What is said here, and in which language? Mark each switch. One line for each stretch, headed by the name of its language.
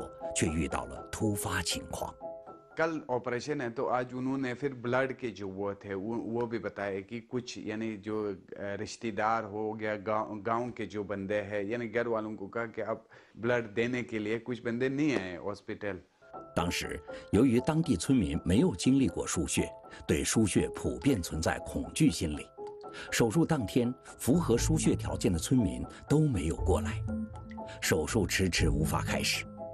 Chinese: 当一切准备就绪的时候，术前输血工作却遇到了突发情况。
Hindi: कल ऑपरेशन है तो आज उन्होंने फिर ब्लड के जो वो थे वो भी बताए कि कुछ यानी जो रिश्तेदार हो गया गांव के जो बंदे हैं यानी घर वालों को कहा कि अब ब्लड देने के लिए कुछ बंदे नहीं आए हॉस्पिटल।
Chinese: 当时由于当地村民没有经历过输血，对输血普遍存在恐惧心理，手术当天符合输血条件的村民都没有过来，手术迟迟无法开始。